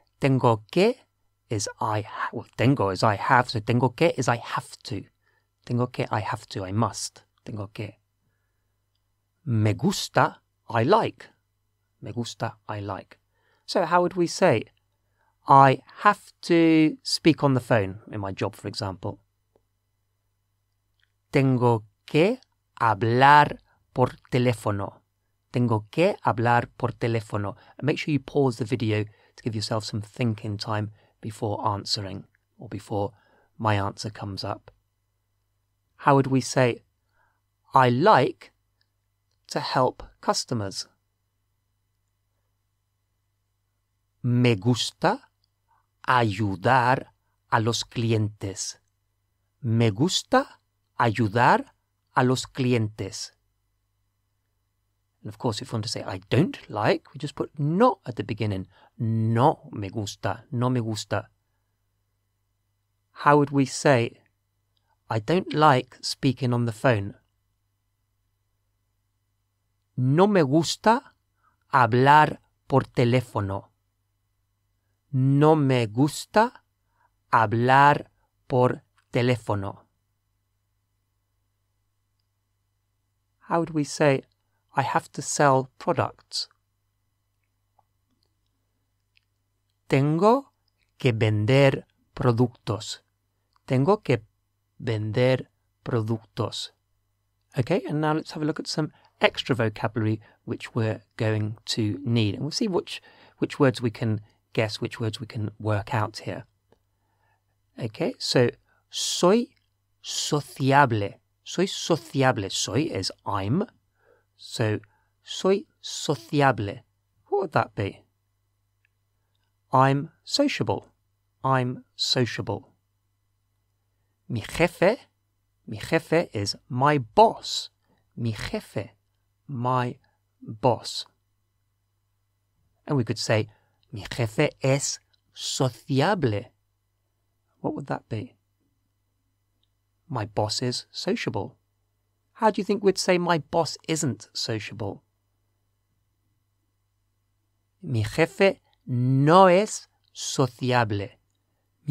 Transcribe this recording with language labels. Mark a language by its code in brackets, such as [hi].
[es] Tengo que [en] is tengo is I have, so tengo que is I have to. [es] Tengo que, [en] I have to, I must. Tengo que. [es] Me gusta, [en] I like. [es] Me gusta, [en] I like. So how would we say, I have to speak on the phone in my job, for example? [es] Tengo que hablar por teléfono. Tengo que hablar por teléfono. [en] And make sure you pause the video to give yourself some thinking time before answering or before my answer comes up. How would we say, I like to help customers? [es] Me gusta ayudar a los clientes. Me gusta ayudar a los clientes. [en] And of course, if you want to say, I don't like, we just put no at the beginning. [es] No me gusta, no me gusta. [en] How would we say, I don't like speaking on the phone? [es] No me gusta hablar por teléfono. No me gusta hablar por teléfono. [en] How would we say, I have to sell products? [es] Tengo que vender productos. Tengo que vender productos. [en] Okay, and now let's have a look at some extra vocabulary which we're going to need. And we'll see which words we can guess, which words we can work out here. Okay, so [es] soy sociable. Soy sociable. [en] Soy is I'm. So, [es] soy sociable. [en] What would that be? I'm sociable. I'm sociable. [es] Mi jefe [en] is my boss. [es] Mi jefe, [en] my boss. And we could say, [es] mi jefe es sociable. [en] What would that be? My boss is sociable. How do you think we'd say my boss isn't sociable? [es] Mi jefe no es sociable. Mi